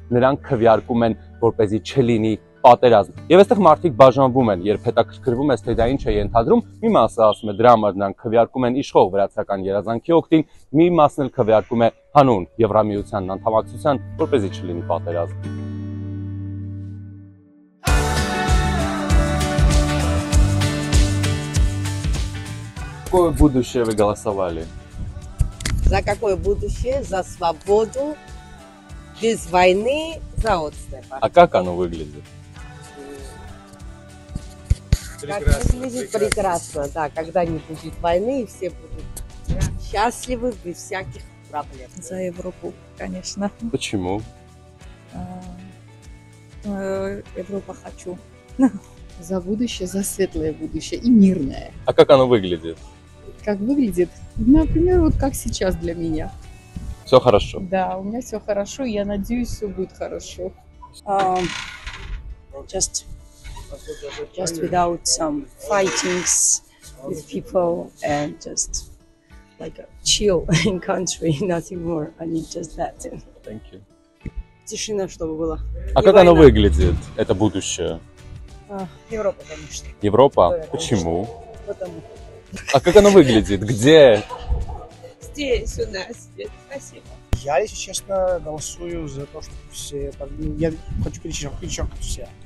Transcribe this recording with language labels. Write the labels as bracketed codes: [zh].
[hy] նրանք քվեարկում են, որպեսզի չլինի պատերազմ։ Եվ այստեղ մարդիկ բաժանվում են, երբ հետաքրքրվում ես, թե դա ինչ է ենթադրում, մի մասը ասում է դրամը, նրանք քվեարկում են իշխող վրացական երազանքի օգտին, մի մասն էլ քվեարկում է հանուն Եվրամիության անդամակցության, որպեսզի չլինի պատերազմ։ [ru] Какое будущее вы голосовали? За какое будущее? За свободу, без войны, за отступ. А как оно выглядит? Прекрасно, да, когда не будет войны, и все будут счастливы, без всяких проблем. За Европу, конечно. Почему? Европу хочу. За будущее, за светлое будущее и мирное. А как оно выглядит? Как выглядит? Например, вот как сейчас для меня. Все хорошо? Да, у меня все хорошо, я надеюсь, все будет хорошо. [en] Just without some fightings with people and just like a chill in country, nothing more. I need just that. Thank you. [ru] Тишина, чтобы была. А как оно выглядит, это будущее? Европа, конечно. Европа? Почему? Потому. А как оно выглядит? Где? Здесь у нас. Спасибо. Я, если честно, голосую за то, что все... Я хочу перечеркнуть все.